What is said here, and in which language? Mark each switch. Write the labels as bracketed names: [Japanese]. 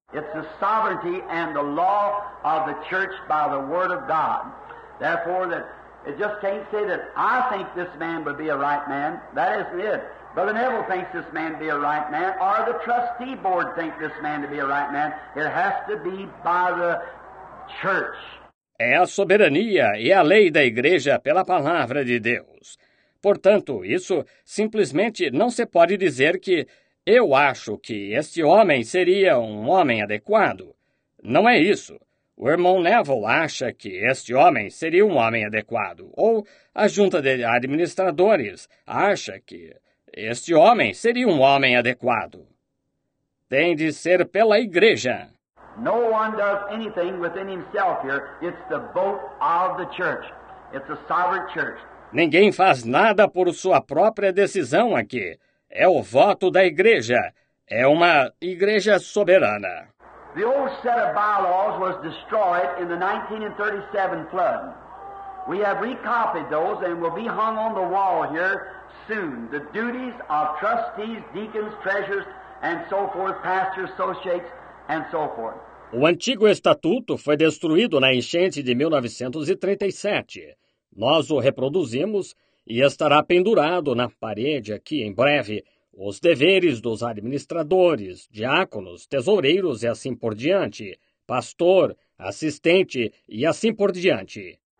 [English] It's the sovereignty and the law of the church by the word of God. Therefore, that it just can't say that I think this man would be a right man. That isn't it. Brother Neville thinks this man to be a right man, or the trustee board thinks this man to be a right man. It has to be by the church. [Portuguese] É a soberania e a lei da igreja pela palavra de Deus. Portanto, isso simplesmente não se pode dizer que eu acho que este homem seria um homem adequado. Não é isso. O irmão Neville acha que este homem seria um homem adequado. Ou a junta de administradores acha que este homem seria um homem adequado. Tem de ser pela igreja. [English] No one does anything within himself here. It's the vote of the church. It's a sovereign church. [Portuguese] Ninguém faz nada por sua própria decisão aqui. É o voto da igreja. É uma igreja soberana. [English] The old set of bylaws was destroyed in the 1937 flood. We have recopied those and will be hung on the wall here soon. The duties of trustees, deacons, treasurers, and so forth, pastors, associates, and so forth. [Portuguese] O antigo estatuto foi destruído na enchente de 1937. Nós o reproduzimos e estará pendurado na parede aqui em breve os deveres dos administradores, diáconos, tesoureiros e assim por diante, pastor, assistente e assim por diante.